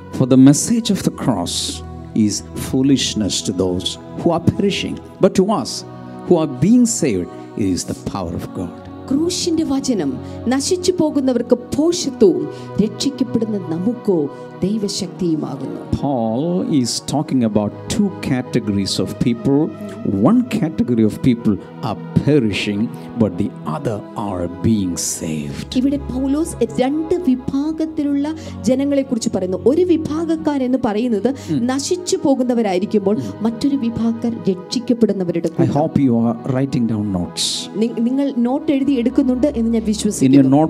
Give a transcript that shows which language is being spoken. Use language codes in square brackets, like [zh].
[en] For the message of the cross is foolishness to those who are perishing, but to us who are being saved, it is the power of God. [ml] ക്രൂശിന്റെ വചനം നശിച്ചു പോകുന്നവർക്ക് പോഷത്വവും രക്ഷിക്കപ്പെടുന്ന നമുക്കോ ദൈവശക്തിയുമാകുന്നു. [en] Paul is talking about two categories of people. One category of people are perishing, but the other are being saved. [ml] ഇവിടെ പൗലോസ് രണ്ട് വിഭാഗത്തിലുള്ള ജനങ്ങളെക്കുറിച്ച് പറയുന്നു. ഒരു വിഭാഗക്കാർ എന്ന് പറയുന്നത് നശിച്ചു പോകുന്നവരായിരിക്കുമ്പോൾ മറ്റൊരു വിഭാഗക്കാർ രക്ഷിക്കപ്പെടുന്നവരുടെ കൂടെ. [en] I hope you are writing down notes. [ml] നിങ്ങൾ നോട്ട് എഴുതി എടുക്കുന്നുണ്ട് എന്ന് ഞാൻ വിശ്വസിക്കുന്നു.